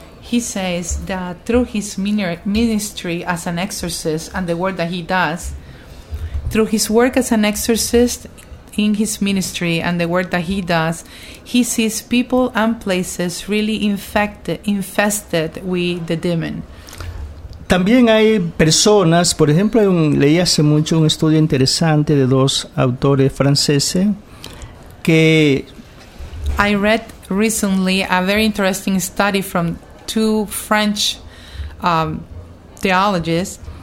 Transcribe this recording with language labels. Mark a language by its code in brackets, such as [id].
[en] He says that through his ministry as an exorcist and the work that he does, through his work as an exorcist in his ministry and the work that he does, he sees people and places really infested with the demon. [es] También hay personas, por ejemplo, leí hace mucho un estudio interesante de dos autores franceses que... [en] I read recently a very interesting study from two French theologists